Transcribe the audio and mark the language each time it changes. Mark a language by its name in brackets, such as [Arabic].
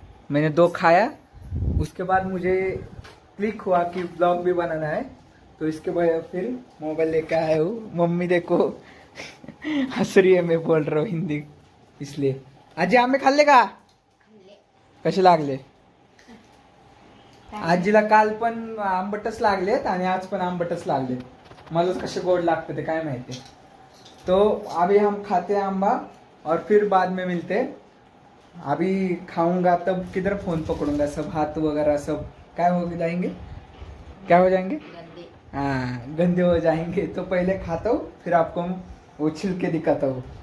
[Hindi] मैंने दो खाया, उसके बाद मुझे क्लिक हुआ कि व्लॉग भी बनाना है। तो इसके बाद फिर मोबाइल लेके आया हूँ। मम्मी देखो हंस रही है, मैं बोल रहा हूँ हिंदी, इसलिए अजय हमें खा लेगा। [Marathi] कैसे लागले आजीला? काल पण आंबटच लागलेत आणि आज पण आंबटच लागलेत। मला कसे गोड लागते ते काय माहिती। [Hindi] तो अभी हम खाते आंबा और फिर बाद में मिलते। अभी खाऊंगा तब किधर फोन पकडूंगा, सब हाथ वगैरह सब काय हो जाएंगे, क्या हो जाएंगे, गंदे हो जाएंगे। तो पहले खाता हूँ, फिर आपको उछिल के दिखाता हूँ।